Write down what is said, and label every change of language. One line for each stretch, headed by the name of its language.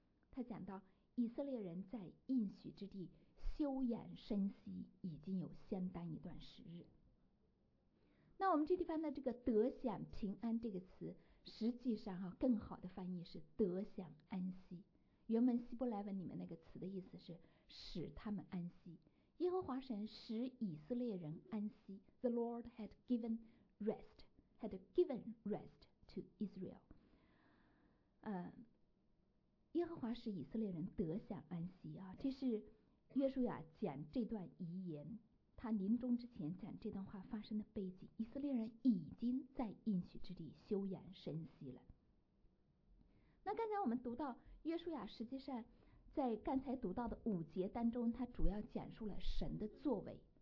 Chinese: 他讲到以色列人在应许之地休养生息已经有相当一段时日。那我们这地方的这个得享平安这个词，实际上哈、啊、更好的翻译是得享安息。原文希伯来文里面那个词的意思是使他们安息。耶和华神使以色列人安息。
English: The Lord had given rest, had given rest to Israel.
Chinese: 耶和华使以色列人得享安息啊，这是约书亚讲这段遗言，他临终之前讲这段话发生的背景。以色列人已经在应许之地休养生息了。那刚才我们读到约书亚，实际上在刚才读到的五节当中，他主要讲述了神的作为。